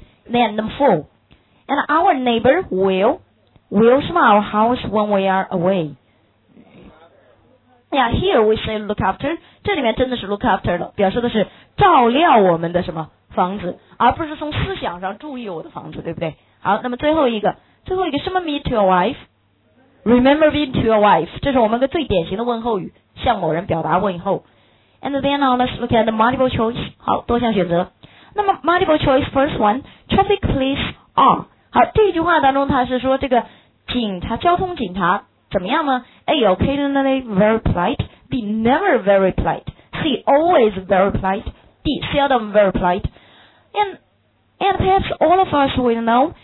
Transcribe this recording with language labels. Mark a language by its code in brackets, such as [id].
[en] Then number four， and our neighbor will smell our house when we are awayYeah, here we say look after. [zh] 这里面真的是 look after 了，表示的是照料我们的什么房子，而不是从思想上注意我的房子，对不对？好，那么最后一个什么 [en] meet your wife? Remember me to your wife. [zh] 这是我们个最典型的问候语，向某人表达问候。 [en] And then now let's look at the multiple choice. [zh] 好，多项选择。那么 [en] multiple choice first one, traffic police are. [zh] 好，这句话当中它是说这个警察，交通警察怎么样呢？ [en] A. Occasionally very polite. B. Never very polite. C. Always very polite. D. Seldom very polite. And perhaps all of us will know.